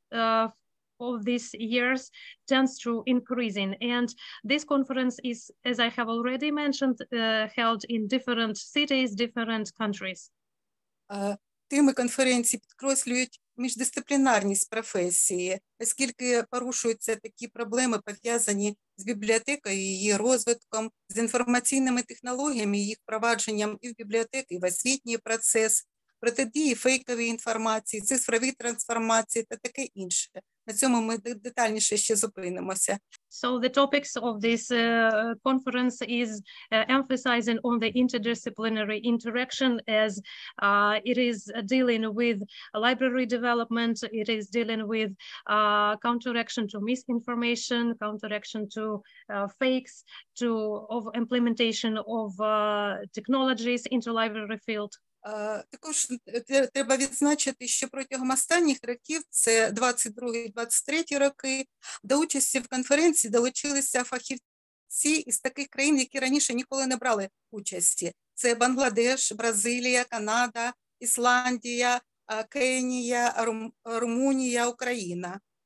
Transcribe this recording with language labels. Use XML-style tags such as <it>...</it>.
<en>Of these years tends to increasing, and this conference is, as I have already mentioned, held in different cities, different countries.</en> <uk>Теми конференції підкреслюють міждисциплінарність професії, оскільки порушуються такі проблеми, пов'язані з бібліотекою, її розвитком, з інформаційними технологіями, їх впровадженням і в бібліотеки, і в освітній процес, протидії фейковій інформації, цифрові трансформації та таке інше. На цьому ми детальніше ще зупинимося.</uk> <en>So the topics of this conference is emphasizing on the interdisciplinary interaction, as it is dealing with library development, it is dealing with counteraction to misinformation, counteraction to fakes, to of implementation of technologies into library field.</en> <uk>Також треба відзначити, що протягом останніх років, це 22-23 роки, до участі в конференції долучилися фахівці із таких країн, які раніше ніколи не брали участі. Це Бангладеш, Бразилія, Канада, Ісландія, Кенія, Румунія, Україна.</uk>